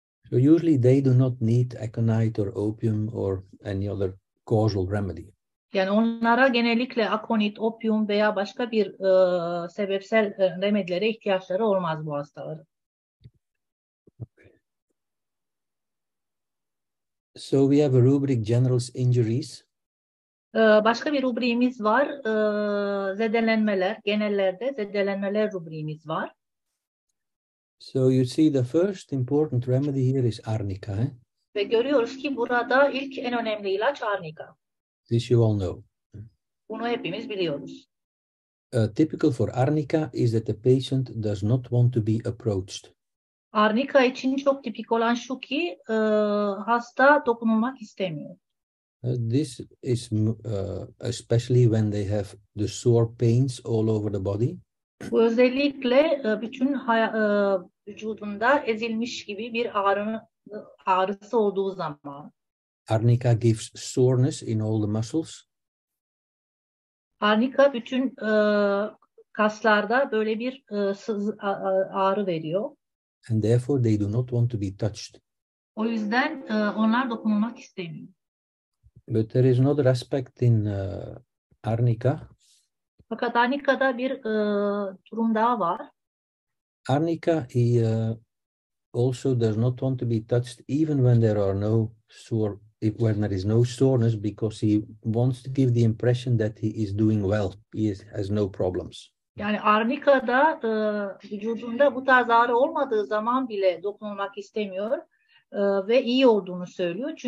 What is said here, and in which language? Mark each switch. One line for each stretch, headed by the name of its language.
English: So usually they do not need aconite or opium or any other causal remedy.
Turkish: Yani onlara genellikle aconit, opium veya başka bir sebepsel remedilere ihtiyaçları olmaz bu hastaların.
English: Okay. So we have a rubric general injuries.
Turkish: Başka bir rubriğimiz var. Zedelenmeler, genellerde zedelenmeler rubriğimiz var.
English: So you see the first important remedy here is arnica.
Turkish: Ve görüyoruz ki burada ilk en önemli ilaç arnica.
English: This you all know.
Turkish: Bunu hepimiz biliyoruz.
English: Typical for arnica is that the patient does not want to be approached.
Turkish: Arnica için çok tipik olan şu ki hasta dokunulmak istemiyor.
English: This is especially when they have the sore pains all over the body.
Turkish: Bu özellikle bütün vücudunda ezilmiş gibi bir ağrısı olduğu zaman.
English: Arnica gives soreness in all the muscles.
Turkish: Arnica bütün kaslarda böyle bir ağrı veriyor.
English: And therefore they do not want to be touched.
Turkish: O yüzden onlar dokunulmak istemiyor.
English: But there is another aspect in Arnica.
Turkish: Fakat Arnica'da bir durum daha var.
English: Arnica, he also does not want to be touched even when there are no sore, when there is no soreness, because he wants to give the impression that he is doing well, he is, has no problems.
Turkish: Yani Arnica'da vücudunda bu tarz ağrı olmadığı zaman bile dokunulmak istemiyor ve iyi olduğunu söylüyor.